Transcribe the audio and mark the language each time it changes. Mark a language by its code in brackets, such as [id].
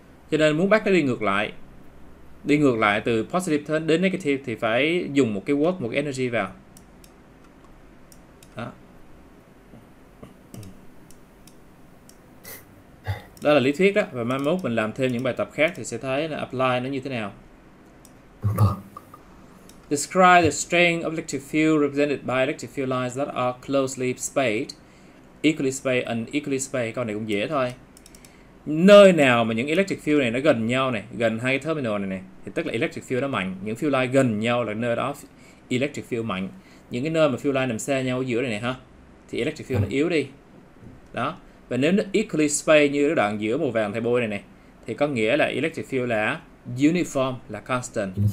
[vi] Cho nên muốn bắt nó đi ngược lại, đi ngược lại từ positive đến negative thì phải dùng một cái work, một cái energy vào. Đó là lý thuyết đó, và mai mốt mình làm thêm những bài tập khác thì sẽ thấy là apply nó như thế nào. [en] Describe the strength of electric field represented by electric field lines that are closely spaced, equally spaced and equally spaced. [vi] Câu này cũng dễ thôi. Nơi nào mà những electric field này nó gần nhau này, gần hai cái terminal này này, thì tức là electric field nó mạnh. Những field line gần nhau là nơi đó electric field mạnh. Những cái nơi mà field line nằm xa nhau giữa này này ha, thì electric field nó yếu đi. Đó. Và nếu nó equally spaced như cái đoạn giữa màu vàng thầy bôi này này, thì có nghĩa là electric field là uniform, là constant.